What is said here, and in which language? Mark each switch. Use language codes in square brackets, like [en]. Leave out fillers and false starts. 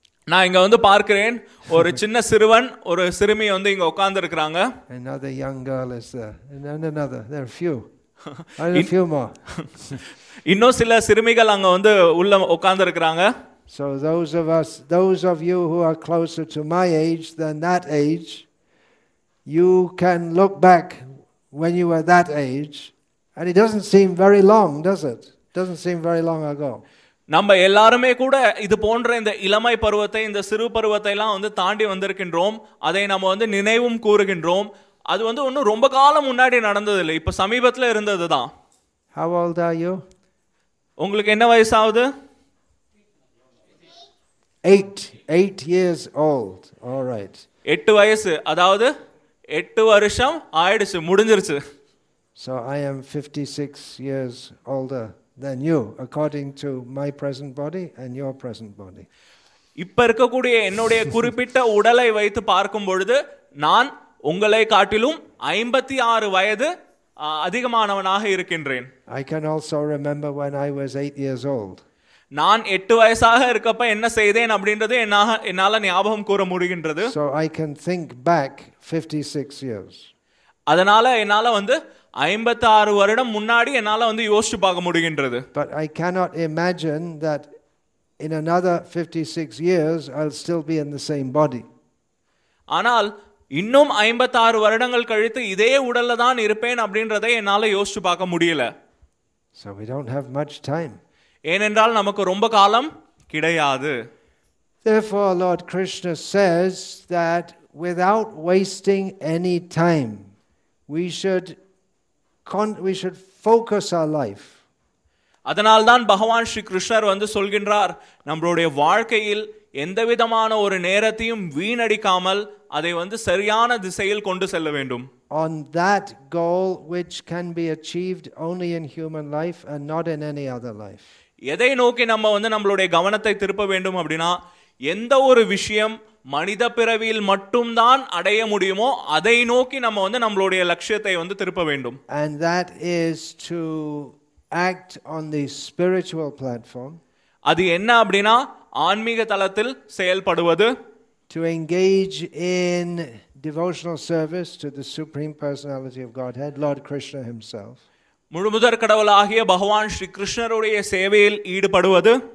[ta] நான் இங்க வந்து பார்க்கிறேன், ஒரு சின்ன சிறுவன் ஒரு சிறுமி வந்து இங்க உட்கார்ந்து இருக்காங்க. [en] Another young girl is there. And another, there are few. And a few more. [ta] இன்னும் சில சிறுமிகள் அங்க வந்து உள்ள உட்கார்ந்து இருக்காங்க. [en] So those of you who are closer to my age than that age, you can look back when you were that age and it doesn't seem very long, does it? Doesn't seem very long ago. [ta] நம்ம எல்லாருமே கூட இது போன்ற இந்த இளமை பருவத்தை, இந்த சிறு பருவத்தை எல்லாம் வந்து தாண்டி வந்திருக்கின்றோம். அதை நம்ம வந்து நினைவும் கூறுகின்றோம். அது வந்து ஒன்னும் ரொம்ப காலம் முன்னாடி நடந்தது இல்லை, இப்ப சமீபத்துல இருந்தது தான். [en] How old are you? [ta] உங்களுக்கு என்ன வயசாவது? [en] 8 years old. All right. [ta] 8 வயசு, அதாவது 8 வருஷம் ஆயிடுச்சு, முடிஞ்சிருச்சு. [en] So I am 56 years older than you according to my present body and your present body. [ta] இப்ப இருக்கக்கூடிய என்னுடைய குறிப்பிட்ட உடலை வைத்து பார்க்கும் பொழுது நான் உங்களை காட்டிலும் 56 வயது அதிகமானவனாக இருக்கின்றேன். [en] I can also remember when I was 8 years old. [ta] நான் 8 வயசாக இருக்கப்ப என்ன செய்தேன் அப்படின்றது என்னால ஞாபகம் கூற முடிகின்றது. [en] So I can think back 56 years. [ta] அதனால என்னால வந்து 56 வருடம் முன்னாடி என்னால வந்து யோசிச்சு பார்க்க முடிகின்றது. [en] But I cannot imagine that in another 56 years I'll still be in the same body. [ta] ஆனால் இன்னும் 56 வருடங்கள் கழித்து இதே உடல்ல தான் இருப்பேன் அப்படின்றதை என்னால யோசிச்சு பார்க்க முடியல. [en] So we don't have much time. [ta] ஏனென்றால் நமக்கு ரொம்ப காலம் கிடையாது. [en] Therefore Lord Krishna says that without wasting any time we should focus our life. [ta] அதனால் தான் பகவான் ஸ்ரீ கிருஷ்ணர் வந்து சொல்கின்றார், நம்மளுடைய வாழ்க்கையில் எந்த விதமான ஒரு நேரத்தையும் வீணடிக்காமல் அதை வந்து சரியான திசையில் கொண்டு செல்ல வேண்டும். [en] On that goal which can be achieved only in human life and not in any other life. [ta] எதை நோக்கி நம்ம வந்து நம்மளுடைய கவனத்தை திருப்ப வேண்டும் அப்படின்னா, எந்த ஒரு விஷயம் மனித பிறவியில் மட்டும்தான் அடைய முடியுமோ அதை நோக்கி நம்ம வந்து நம்மளுடைய லட்சியத்தை வந்து திருப்ப வேண்டும். [en] And that is to act on the spiritual platform. [ta] அது என்ன அப்படின்னா, ஆன்மீக தளத்தில் செயல்படுவது. [en] To engage in devotional service to the Supreme Personality of Godhead, Lord Krishna himself. [ta] முழுமுதற் கடவுளாகிய பகவான் ஸ்ரீ கிருஷ்ணருடைய சேவையில் ஈடுபடுவது.